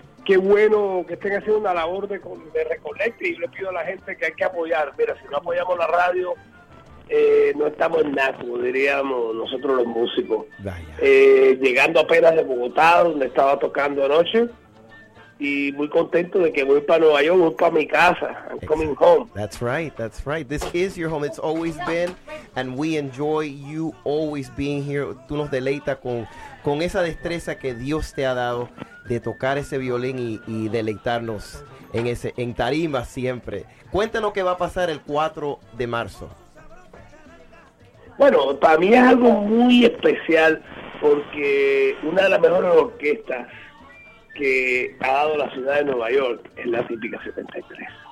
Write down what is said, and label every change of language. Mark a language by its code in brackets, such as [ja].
[es] Qué bueno que estén haciendo una labor de recolecta, y le pido a la gente que hay que apoyar. Mira, si no apoyamos la radio, no estamos en nada, como diríamos nosotros los músicos. Llegando apenas de Bogotá, donde estaba tocando anoche, y muy contento de que voy para Nueva York, voy para mi casa. [en] I'm coming home. That's right, that's right. This is your home, it's always been, and we enjoy you always being here. [es] Tú nos deleitas con esa destreza que Dios te ha dado de tocar ese violín y deleitarnos en tarima siempre. Cuéntanos qué va a pasar el 4 de marzo. Bueno, para mí es algo muy especial porque una de las mejores orquestas que ha dado la ciudad de Nueva York es la Tipica 73.